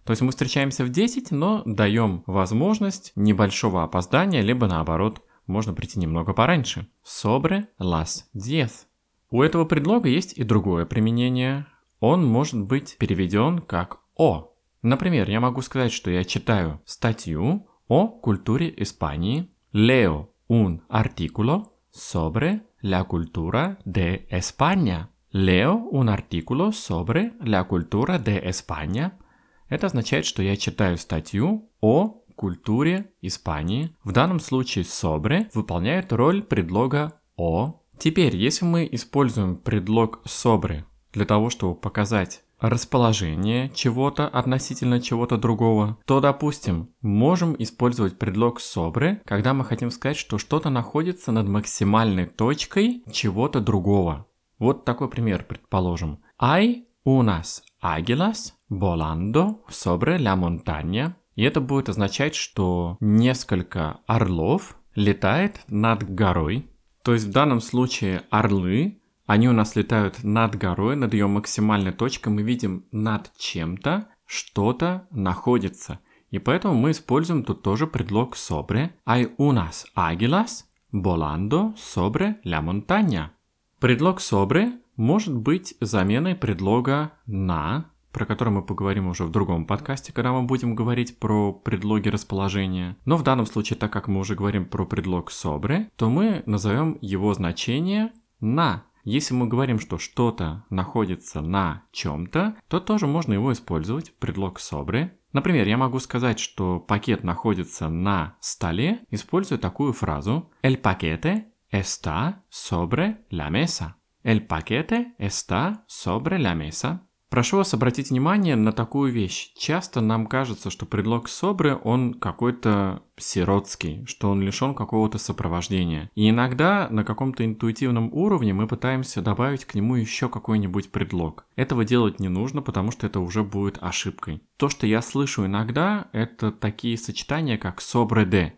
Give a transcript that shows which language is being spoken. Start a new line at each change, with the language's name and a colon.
Russian: То есть мы встречаемся в 10, но даем возможность небольшого опоздания, либо наоборот, можно прийти немного пораньше.
Spanish: Sobre las 10.
Russian: У этого предлога есть и другое применение. Он может быть переведен как «о». Например, я могу сказать, что я читаю статью о культуре Испании.
Spanish: Leo un artículo sobre la cultura de España. Leo un artículo sobre la cultura de España.
Russian: Это означает, что я читаю статью о культуре Испании. В данном случае sobre выполняет роль предлога «о». Теперь, если мы используем предлог sobre для того, чтобы показать расположение чего-то относительно чего-то другого, то, допустим, можем использовать предлог sobre, когда мы хотим сказать, что что-то находится над максимальной точкой чего-то другого. Вот такой пример, предположим.
Spanish: Hay unas águilas volando sobre la montaña.
Russian: И это будет означать, что несколько орлов летает над горой. То есть в данном случае орлы, они у нас летают над горой, над ее максимальной точкой, мы видим над чем-то, что-то находится. И поэтому мы используем тут тоже предлог sobre.
Spanish: Hay unas águilas volando sobre la montaña.
Russian: Предлог sobre может быть заменой предлога на, про который мы поговорим уже в другом подкасте, когда мы будем говорить про предлоги расположения. Но в данном случае, так как мы уже говорим про предлог sobre, то мы назовем его значение на. Если мы говорим, что что-то находится на чем-то, то тоже можно его использовать, предлог sobre. Например, я могу сказать, что пакет находится на столе, используя такую фразу.
Spanish: El paquete está sobre la mesa. El paquete está sobre la mesa.
Russian: Прошу вас обратить внимание на такую вещь. Часто нам кажется, что предлог sobre, он какой-то сиротский, что он лишен какого-то сопровождения. И иногда на каком-то интуитивном уровне мы пытаемся добавить к нему еще какой-нибудь предлог. Этого делать не нужно, потому что это уже будет ошибкой. То, что я слышу иногда, это такие сочетания, как sobre de.